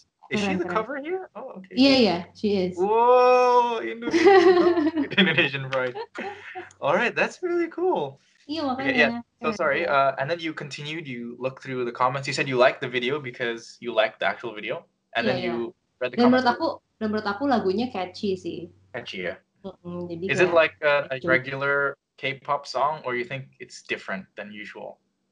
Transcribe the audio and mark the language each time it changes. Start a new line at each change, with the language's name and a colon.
English: Is she the cover here? Oh, okay. Yeah, she is. Whoa, Indonesian pride. All right, that's really cool. Sorry. And then you continued. You looked through the comments. You said you liked the video because you liked the actual video, you read the comments.
Indonesian: Menurut aku lagunya catchy sih.
English: Catchy, yeah. Mm-hmm, is it like a regular K-pop song, or you think it's different than usual?